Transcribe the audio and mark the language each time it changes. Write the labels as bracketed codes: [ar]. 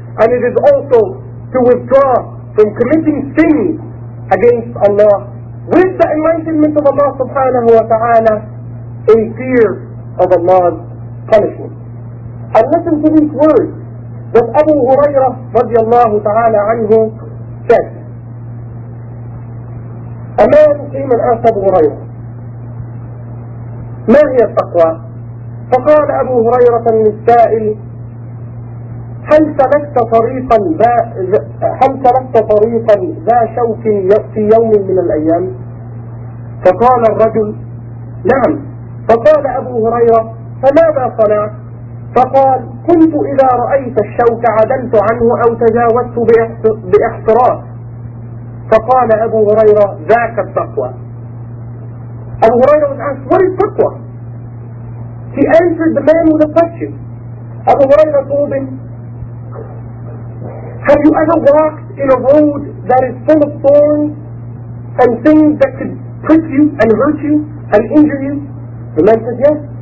[en] And it is also to withdraw from committing sins against Allah with the enlightenment of Allah subhanahu wa ta'ala, in fear of Allah's punishment. And listen to these words that Abu Huraira radiallahu ta'ala anhu said. A man came and asked Abu Huraira, [ar] ما هي التقوى؟ فقال أبو هريرة للسائل هل سلكت طريقا ذا شوك في يوم من الأيام؟ فقال الرجل نعم. فقال أبو هريرة فماذا صنعت؟ فقال كنت إذا رأيت الشوك عدلت عنه أو تجاوزت باحتراس. فقال أبو هريرة ذاك التقوى. [en] أبو هريرة asked, what is taqwa? He answered the man with a question. Abu Huraira told him, have you ever walked in a road that is full of thorns and things that could prick you and hurt you and injure you? The man said, yes.